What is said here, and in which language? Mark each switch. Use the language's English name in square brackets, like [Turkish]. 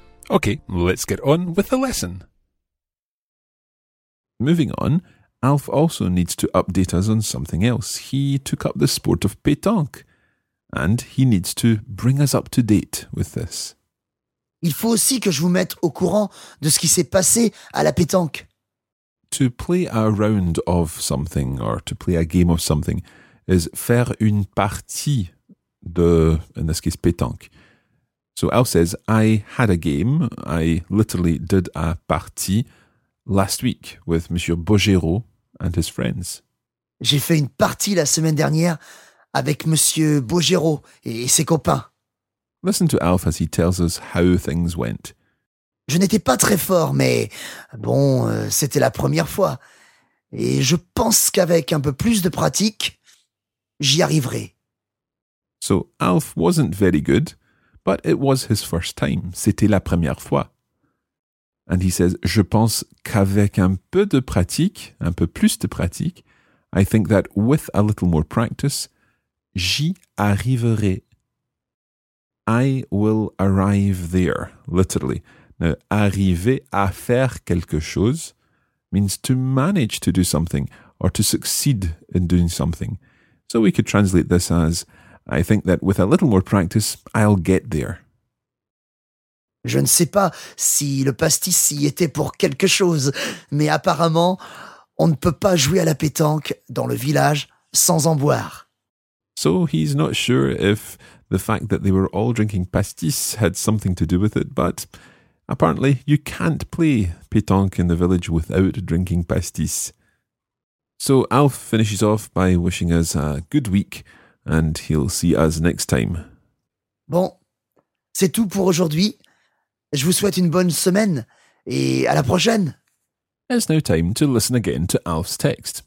[English] Okay, let's get on with the lesson. Moving on, Alf also needs to update us on something else. He took up the sport of pétanque, and he needs to bring us up to date with this. [French] Il faut aussi que je vous mette au courant de ce qui s'est passé à la pétanque. [English] To play a round of something, or to play a game of something, is [French] faire une partie de, [English] in this case, pétanque. So Al says, I had a game, I literally did a partie last week with Monsieur Bogero and his friends. [French] J'ai fait une partie la semaine dernière avec Monsieur Bogero et ses copains. [English] Listen to Alf as he tells us how things went. [French] Je n'étais pas très fort, mais bon, c'était la première fois. Et je pense qu'avec un peu plus de pratique, j'y arriverai. [English] So Alf wasn't very good, but it was his first time. [French] C'était la première fois. [English] And he says, [French] je pense qu'avec un peu de pratique, un peu plus de pratique, [English] I think that with a little more practice, [French] j'y arriverai. [English] I will arrive there, literally. Now, [French] arriver à faire quelque chose [English] means to manage to do something or to succeed in doing something. So we could translate this as, I think that with a little more practice, I'll get there. [French] Je ne sais pas si le pastis y était pour quelque chose, mais apparemment, on ne peut pas jouer à la pétanque dans le village sans en boire. [English] So he's not sure if the fact that they were all drinking pastis had something to do with it, but apparently you can't play pétanque in the village without drinking pastis. So Alf finishes off by wishing us a good week, and he'll see us next time. [French] Bon, c'est tout pour aujourd'hui. Je vous souhaite une bonne semaine et à la prochaine. [English] It's now time to listen again to Alf's text.